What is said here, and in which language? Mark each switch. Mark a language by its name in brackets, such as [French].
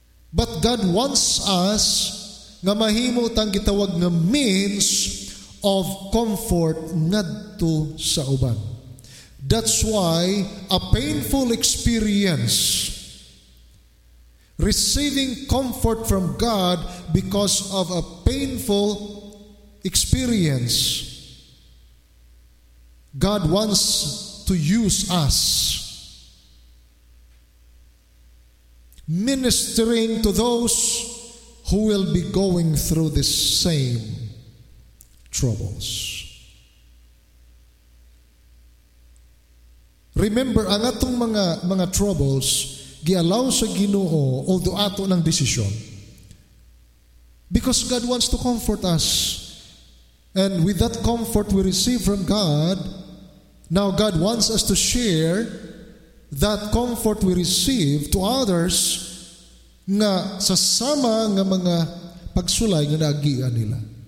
[English] But God wants us [Cebuano] nga mahimo tang gitawag nga [English] means of comfort [Cebuano] ngadto sa uban. [English] That's why a painful experience, receiving comfort from God because of a painful experience, God wants to use us ministering to those who will be going through the same troubles. [Cebuano] Remember, ang atong mga troubles, giallow sa Ginoo, although ato ng desisyon. [English] Because God wants to comfort us. And with that comfort we receive from God, now God wants us to share that comfort we receive to others [Cebuano] nga sa sama nga mga pagsulay nga naagian nila.